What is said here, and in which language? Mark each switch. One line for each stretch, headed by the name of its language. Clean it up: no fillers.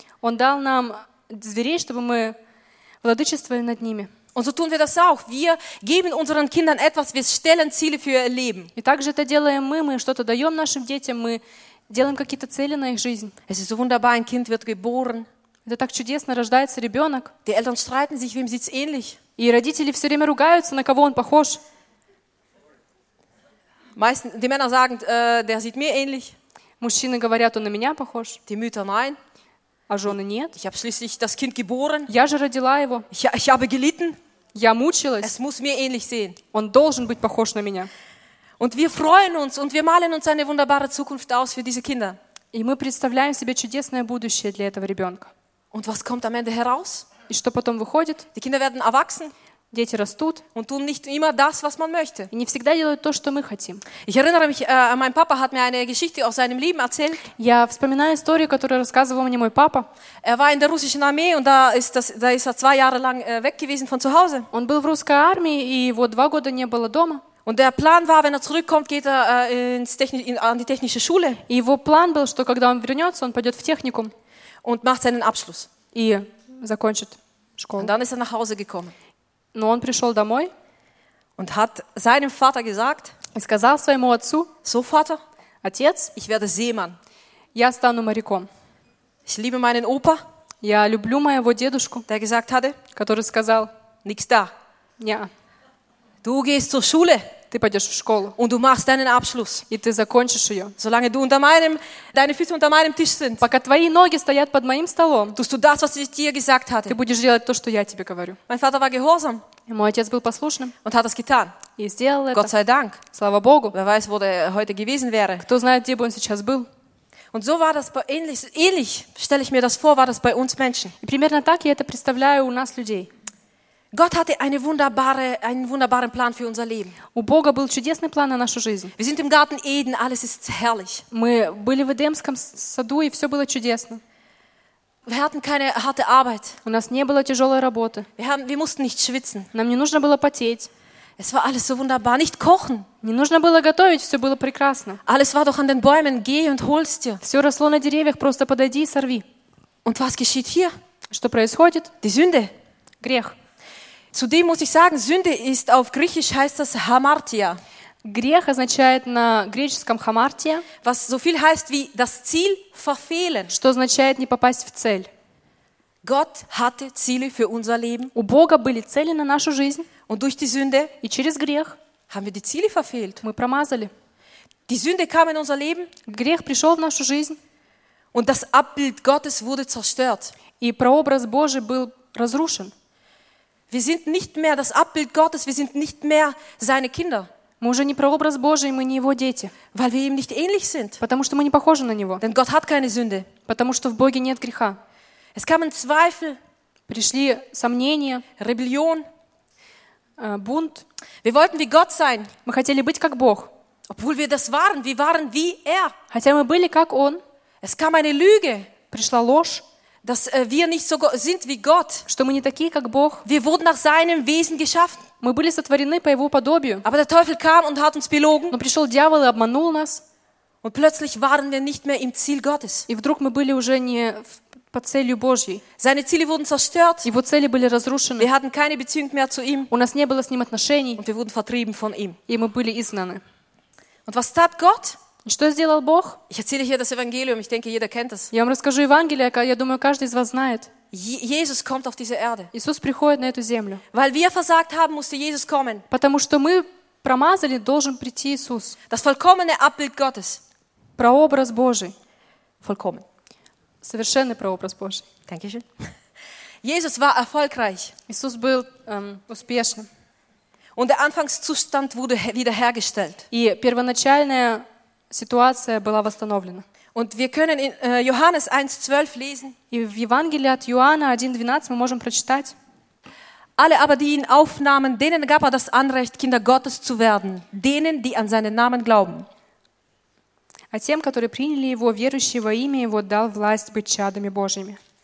Russian: Он дал нам зверей, чтобы мы владычествовали над ними.
German: Und so tun wir das auch. Wir geben unseren Kindern etwas, wir stellen Ziele für ihr Leben.
Russian: И так же это делаем мы что-то даем нашим детям, мы делаем какие-то цели на их жизнь.
German: Es ist so wunderbar, ein Kind wird geboren.
Russian: Это так чудесно, рождается ребенок.
German: Die Eltern streiten sich, wem sieht's ähnlich.
Russian: И родители все время ругаются, на кого он похож.
German: Meistens, die Männer sagen, der sieht mir ähnlich.
Russian: Мужчины говорят, он на меня похож.
German: Die Mütter, nein.
Russian: А жены нет.
German: Ich habe schließlich das Kind geboren.
Russian: Я же родила его.
German: Ich habe gelitten.
Russian: Я мучилась.
German: Es muss mir ähnlich sehen.
Russian: Он должен быть похож на меня.
German: Und wir freuen uns und wir malen uns eine wunderbare Zukunft aus für diese Kinder.
Russian: И мы представляем себе чудесное будущее для этого ребенка.
German: Und was kommt am Ende heraus?
Russian: И что потом выходит?
German: Die Kinder werden erwachsen,
Russian: дети растут,
German: und tun nicht immer das, was man möchte.
Russian: И не всегда делают то, что мы хотим.
German: Ich erinnere mich, mein Papa hat mir eine Geschichte aus seinem Leben erzählt.
Russian: Я вспоминаю историю, которую рассказывал мне мой папа.
German: Er war in der russischen Armee und da ist er zwei Jahre lang weg gewesen von zu Hause.
Russian: Он был в русской армии, и его два года не было дома.
German: Und der Plan war, wenn er zurückkommt, geht er an die technische Schule.
Russian: И его план был, что когда он вернется, он пойдет в техникум.
German: Und macht seinen Abschluss.
Russian: И закончит школу.
German: Und dann ist er nach Hause gekommen.
Russian: Но он пришел домой.
German: Und hat seinem Vater gesagt.
Russian: И сказал своему отцу.
German: So Vater.
Russian: Отец.
German: Ich werde Seemann.
Russian: Я стану моряком.
German: Ich liebe meinen Opa.
Russian: Я люблю моего дедушку.
German: Der gesagt hatte.
Russian: Который сказал.
German: Nichts da.
Russian: Неа.
German: Du gehst zur Schule.
Russian: Ты пойдешь в школу.
German: Und du machst deinen Abschluss.
Russian: И ты закончишь ее.
German: Solange du unter meinem, deine Füße unter meinem Tisch sind.
Russian: Пока твои ноги стоят под моим столом.
German: Tust du das, was ich dir gesagt hatte.
Russian: Ты будешь делать то, что я тебе говорю.
German: Mein Vater war gehorsam.
Russian: И мой отец был послушным.
German: Und hat das getan.
Russian: И сделал
German: Gott
Russian: это.
German: Gott sei Dank.
Russian: Слава Богу.
German: Wer weiß, wo der heute gewesen wäre.
Russian: Кто знает, где бы он сейчас был.
German: Und so war das ähnlich, stelle ich mir das vor, war das bei uns Menschen.
Russian: И примерно так я это представляю у нас людей.
German: Gott hatte einen wunderbaren Plan für unser Leben.
Russian: У Бога был чудесный план на нашу жизнь.
German: Wir sind im Garten Eden, alles ist herrlich.
Russian: Мы были в Эдемском саду, и все было чудесно.
German: Wir hatten keine harte Arbeit.
Russian: У нас не было тяжелой работы.
German: Wir mussten nicht schwitzen.
Russian: Нам не нужно было потеть.
German: Es war alles so wunderbar, nicht kochen.
Russian: Не нужно было готовить, все было прекрасно.
German: Alles war doch an den Bäumen, geh und hol's dir.
Russian: Все росло на деревьях, просто подойди и сорви.
German: Und was geschieht hier?
Russian: Что происходит?
German: Die Sünde.
Russian: Грех.
German: Zudem muss ich sagen, Sünde ist auf Griechisch heißt das Hamartia.
Russian: Грех означает на греческом хамартия,
German: was so viel heißt wie das Ziel verfehlen,
Russian: что означает не попасть в цель.
German: Gott hatte Ziele für unser Leben,
Russian: у Бога были цели на нашу жизнь,
German: und durch die Sünde,
Russian: и через грех,
German: haben wir die Ziele verfehlt,
Russian: мы промазали.
German: Die Sünde kam in unser Leben,
Russian: грех пришел в нашу жизнь,
German: und das Abbild Gottes wurde zerstört,
Russian: и прообраз Божий был разрушен.
German: Wir sind nicht mehr das Abbild Gottes, wir sind nicht mehr seine Kinder.
Russian: Мы уже не прообраз Божий, мы не его дети.
German: Weil wir ihm nicht ähnlich sind.
Russian: Потому что мы не похожи на него.
German: Denn Gott hat keine Sünde.
Russian: Потому что в Боге нет греха.
German: Es kamen Zweifel,
Russian: пришли сомнения,
German: Rebellion,
Russian: бунт.
German: Wir wollten wie Gott sein.
Russian: Мы хотели быть как Бог.
German: Obwohl wir das waren, wir waren wie er.
Russian: Хотя мы были как он.
German: Es kam eine Lüge,
Russian: пришла ложь.
German: Dass wir nicht so sind wie Gott.
Russian: Что мы не такие, как Бог.
German: Wir wurden nach seinem Wesen geschaffen.
Russian: Мы были сотворены по его подобию.
German: Aber der Teufel kam und hat uns belogen.
Russian: Но пришел дьявол и обманул нас.
German: Und plötzlich waren wir nicht mehr im Ziel Gottes.
Russian: И вдруг мы были уже не по целью Божьей.
German: Seine Ziele wurden zerstört.
Russian: Его цели были разрушены.
German: Wir hatten keine Beziehung mehr zu ihm.
Russian: У нас не было с ним отношений.
German: Und wir wurden vertrieben von ihm.
Russian: И мы были изгнаны.
German: Und was tat Gott?
Russian: Что сделал Бог?
German: Ich erzähle hier das Evangelium. Ich denke, jeder kennt das.
Russian: Я вам расскажу Евангелие, я думаю, каждый из вас знает.
German: Jesus kommt auf diese Erde.
Russian: Иисус приходит на эту землю.
German: Weil wir versagt haben, musste Jesus kommen.
Russian: Потому что мы промазали, должен прийти Иисус.
German: Das vollkommene Abbild Gottes.
Russian: Прообраз Божий.
German: Vollkommen.
Russian: Совершенный прообраз Божий.
German: Dankeschön. Jesus war erfolgreich.
Russian: Иисус был успешным.
German: Und der Anfangszustand wurde wiederhergestellt.
Russian: И первоначальная ситуация была восстановлена.
German: Und wir können in Johannes 1:12 lesen.
Russian: И в Евангелии от Иоанна 1:12 мы можем прочитать.
German: Alle aber, die ihn aufnahmen, denen gab er das Anrecht, Kinder Gottes zu werden, denen, die an seinen Namen glauben.
Russian: А тем, которые приняли его, верующие во имя его, дал власть быть чадами Божьими.